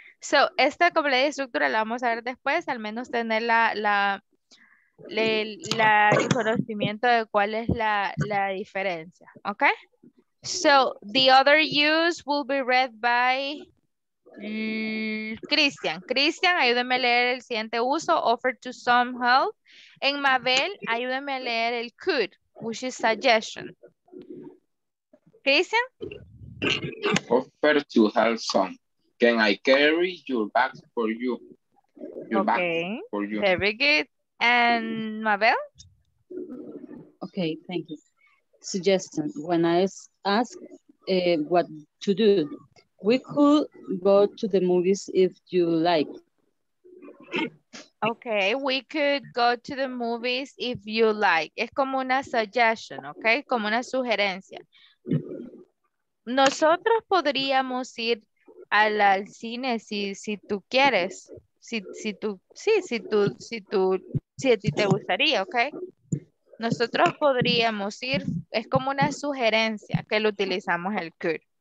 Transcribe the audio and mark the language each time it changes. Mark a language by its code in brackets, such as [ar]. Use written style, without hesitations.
[es] So, esta completa estructura la vamos a ver después, al menos tener el conocimiento de cuál es la diferencia, ¿ok? [en] So, the other use will be read by Christian. [es] Christian, ayúdame a leer el siguiente uso, [en] offer to some help. [es] En Mabel, ayúdame a leer el could, [en] which is suggestion. [es] Christian? [en] Offer to help some. Can I carry your bag for you? Okay, very good. And Mabel? Okay, thank you. Suggestion, when I ask what to do, we could go to the movies if you like. Okay, we could go to the movies if you like. [es] Es como una suggestion, okay? Como una sugerencia. Nosotros podríamos ir al cine si tú quieres. Si a ti te gustaría, okay? Nosotros podríamos ir, es como una sugerencia que lo utilizamos el could.